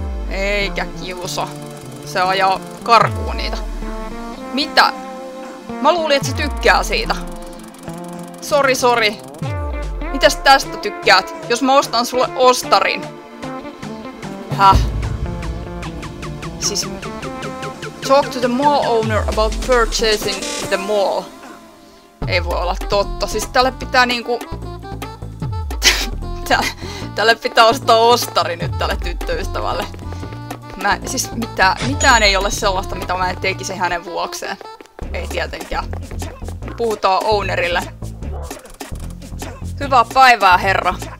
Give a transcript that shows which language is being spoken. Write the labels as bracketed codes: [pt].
[fi] Eikä kiusa. Se ajaa karkuun niitä. Mitä? Mä luulin, että sä tykkää siitä. Sori. Mitäs tästä tykkäät, jos mä ostan sulle ostarin? Häh? Siis... [en] Talk to the mall owner about purchasing the mall. [fi] Ei voi olla totta. Siis tälle pitää niinku... tälle pitää ostaa ostari nyt tälle tyttöystävälle. Mä, siis mitään ei ole sellaista, mitä mä en tekisi hänen vuokseen. Ei tietenkään. Puhutaan ownerille. Hyvää päivää, herra.